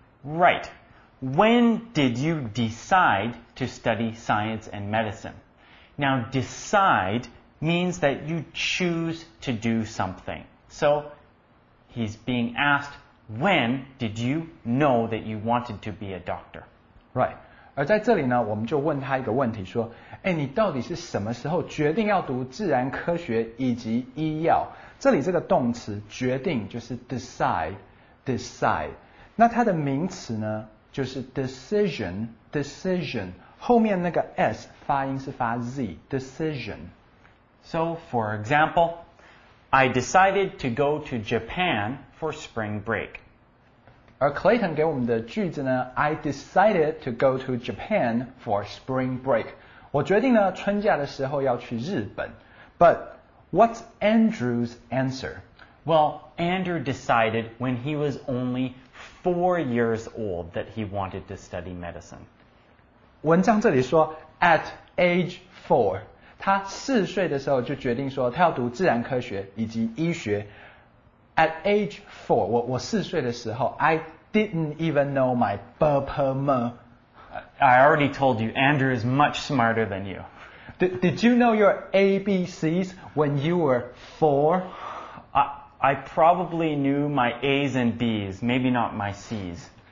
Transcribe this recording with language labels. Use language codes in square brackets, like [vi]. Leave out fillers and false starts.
[en] Right, when did you decide to study science and medicine? Now decide means that you choose to do somethingSo, he's being asked, when did you know that you wanted to be a doctor? Right. [zh] 而在这里呢，我们就问他一个问题，说，哎，你到底是什么时候决定要读自然科学以及医药？这里这个动词决定就是 decide, decide. 那它的名词呢，就是 decision, decision. 后面那个 S 发音是发 Z, decision. [en] So, for example,I decided to go to Japan for spring break. [zh] 而 Clayton 给我们的句子呢 [en] I decided to go to Japan for spring break. [zh] 我决定呢春假的时候要去日本。 [en] But what's Andrew's answer? Well, Andrew decided when he was only 4 years old that he wanted to study medicine. [zh] 文章这里说 [en] at age 4. [zh] 他四岁的时候就决定说他要读自然科学以及医学。 [en] At age 4, [zh] 我四岁的时候 [en] I didn't even know my bubba. I already told you, Andrew is much smarter than you. Did you know your ABCs when you were 4? I probably knew my A's and B's, maybe not my C's.